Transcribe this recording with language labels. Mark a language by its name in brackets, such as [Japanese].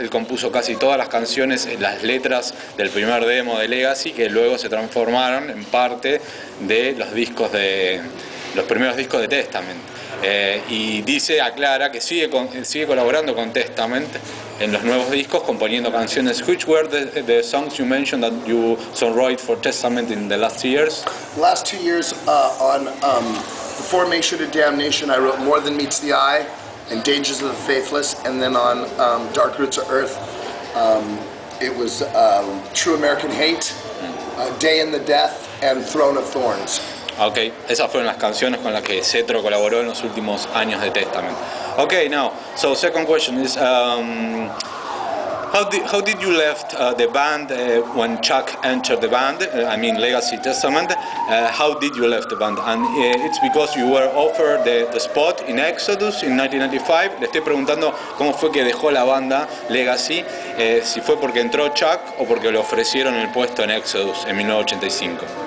[Spanish] Él compuso casi todas las canciones, las letras del primer demo de Legacy, que luego se transformaron en parte de los discos de los primeros discos de Testament. Y dice, aclara, que sigue colaborando con Testament en los nuevos discos, componiendo canciones. [English] Which were the songs you mentioned that you songwrote for Testament in the last years? Last 2 years on The Formation of Damnation, I wrote More Than Meets the Eye and Dangers of the Faithless. And then on Dark Roots of Earth, it was True American Hate, Day in the Death, and Throne of Thorns. [Spanish] Ok, esas fueron las canciones con las que Cetro colaboró en los últimos años de Testament. [English] Ok, now, so second question is, how did you left the band when Chuck entered the band, I mean Legacy Testament, how did you left the band? And it's because you were offered the spot in Exodus in 1995. [Spanish] Le estoy preguntando cómo fue que dejó la banda Legacy, si fue porque entró Chuck o porque le ofrecieron el puesto en Exodus en 1985.